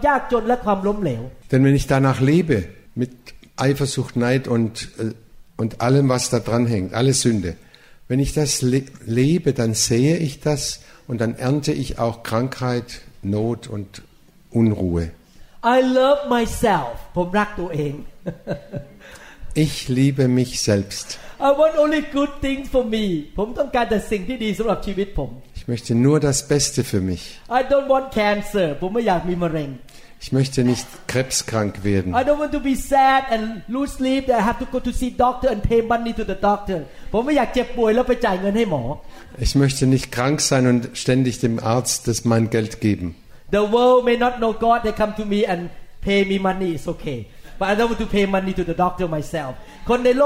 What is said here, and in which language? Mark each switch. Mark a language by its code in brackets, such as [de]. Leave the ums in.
[de] Denn wenn ich danach lebe mit Eifersucht Neid und und allem was da dran hängt alle Sünde wenn ich das lebe dann sehe ich das und dann ernte ich auch Krankheit Not und Unruhe [en] I love myself [th] ผมรักตัวเอง [de] ich liebe mich selbst. [en] I want only good things for me. [th] ผมต้องการแต่สิ่งที่ดีสำหรับชีวิตผม [de] Ich möchte nur das Beste für mich. [en] I don't want cancer. [th] ผมไม่อยากมีมะเร็ง [de] Ich möchte nicht krebskrank werden. [en] I don't want to be sad and lose sleep I have to go to see doctor and pay money to the doctor. [th] ผมไม่อยากเจ็บป่วยแล้วไปจ่ายเงินให้หมอ [de] Ich möchte nicht krank sein und ständig dem Arzt das mein Geld geben. [en] The world may not know God. They come to me and pay me money. It's okay but I don't want to pay money to the doctor myself [de] Wenn